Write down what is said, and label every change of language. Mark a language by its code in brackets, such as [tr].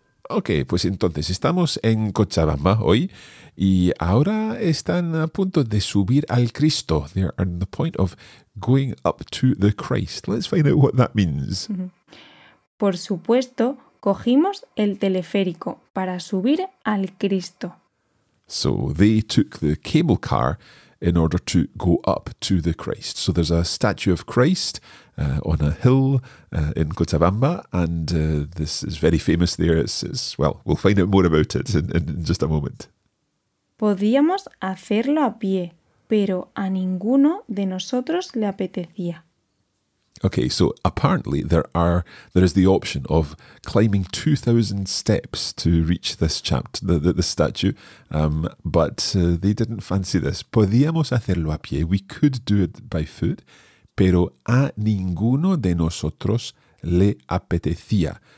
[es] Ok, pues entonces estamos en Cochabamba hoy y ahora están a punto de subir al Cristo. [en] They're on the point of going up to the Christ. Let's find out what that means. [es] Por supuesto, cogimos el teleférico para subir al Cristo. [en] So they took the cable car in order to go up to the Christ. So there's a statue of Christ on a hill in Cochabamba, and this is very famous there. It's well, we'll find out more about it in just a moment. [es] Podíamos hacerlo a pie, pero a ninguno de nosotros le apetecía. [en] Okay, so apparently there is the option of climbing 2,000 steps to reach this the statue, but they didn't fancy this. [es] Podíamos hacerlo a pie. [en] We could do it by foot, [es] pero a ninguno de nosotros le apetecía.